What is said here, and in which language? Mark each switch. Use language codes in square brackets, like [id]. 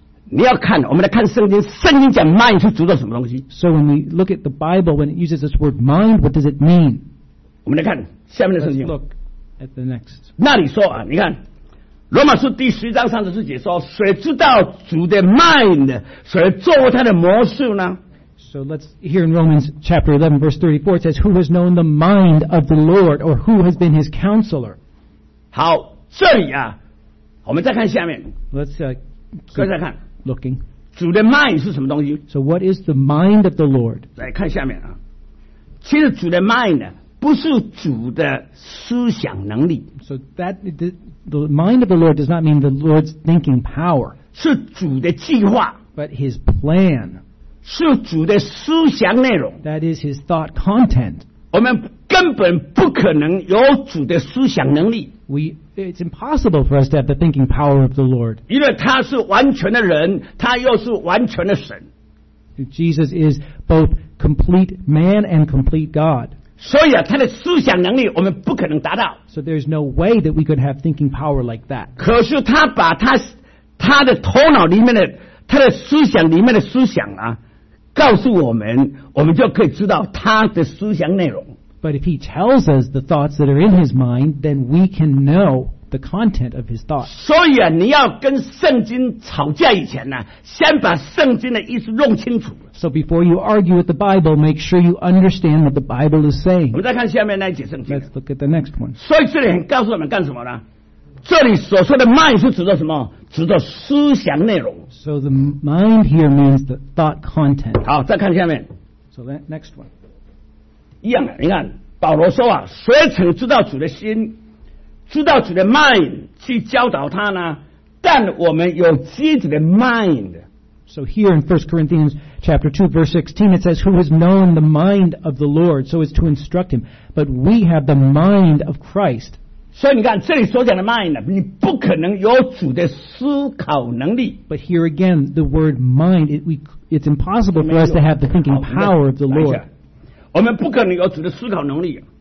[zh] 你要看，我们来看圣经，圣经讲 mind 是指的什么东西？ [en] So when we look at the Bible, when it uses this word mind, what does it mean? [zh] 我们来看下面的圣经。 [en] Let's look at the next. [zh] 那里说啊，你看。罗马书第十章三十四节说：“谁知道主的 mind， 谁做他的谋士呢 [en] ？”So let's here in Romans chapter 11 verse 34 it says, "Who has known the mind of the Lord, or who has been his counselor?" [zh] 好，这里啊，我们再看下面。 [en] Let's keep [zh] 再看 [en] looking [zh] 主的 mind 是什么东西 [en] ？So what is the mind of the Lord？ [zh] 来看下面啊，其实主的 mind 不是主的思想能力。 [en] So that the mind of the Lord does not mean the Lord's thinking power. [zh] 是主的计划。 [en] But his plan. [zh] 是主的思想内容。 [en] That is his thought content. [zh] 我们根本不可能有主的思想能力。 [en] It's impossible for us to have the thinking power of the Lord. [zh] 因为他是完全的人，他又是完全的神。 [en] Jesus is both complete man and complete God. [zh] 所以啊，他的思想能力我们不可能达到。 [en] So there's no way that we could have thinking power like that. [zh] 可是他把他的头脑里面的他的思想里面的思想啊，告诉我们，我们就可以知道他的思想内容。 [en] But if he tells us the thoughts that are in his mind, then we can know the content of his thoughts. [zh] 所以啊，你要跟圣经吵架以前呢、啊，先把圣经的意思弄清楚。 [en] So before you argue with the Bible, make sure you understand what the Bible is saying. [zh] 我们再看下面那一节圣经。 [en] Let's look at the next one. [zh] 所以这里告诉我们干什么呢？这里所说的 mind 是指的什么？指的思想内容。 [en] So the mind here means the thought content. [zh] 好，再看下面。 [en] So that next one. [zh] 一样的，你看保罗说啊，谁曾知道主的心，知道主的 mind 去教导他呢？但我们有自己的 mind。 [en] So here in 1 Corinthians chapter 2 verse 16 it says, Who has known the mind of the Lord so as to instruct him? But we have the mind of Christ. [zh] 所以你看这里所讲的 mind 你不可能有主的思考能力。 [en] But here again, the word mind, it's impossible for us to have the thinking power of the Lord. [zh] 我们不可能有主的思考能力。